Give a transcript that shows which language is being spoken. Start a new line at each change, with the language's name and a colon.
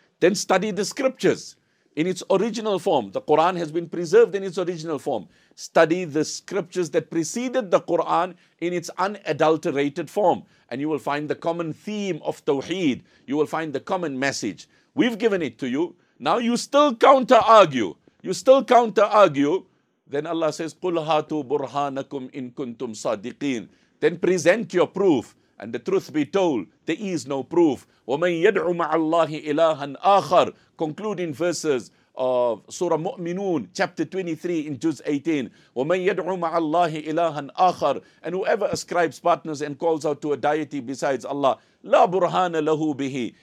English: Then study the scriptures. In its original form, the Quran has been preserved in its original form. Study the scriptures that preceded the Quran in its unadulterated form, and you will find the common theme of Tawheed. You will find the common message. We've given it to you. Now you still counter-argue. You still counter-argue. Then Allah says,
Arabic: قُلْ هَاتُوا بُرْهَانَكُمْ إِن كُنْتُمْ صَادِقِينَ.
English: Then present your proof. And the truth be told, there is no proof.
Arabic: وَمَنْ يَدْعُ مَعَ اللَّهِ إِلَهًا آخَرٍ.
English: Concluding verses of Surah Mu'minun, chapter 23 in Juz 18.
Arabic: وَمَنْ يَدْعُ مَعَ اللَّهِ إِلَهًا آخَرٍ.
English: And whoever ascribes partners and calls out to a deity besides Allah,
Arabic: لَا بُرْهَانَ لَهُ بِهِ.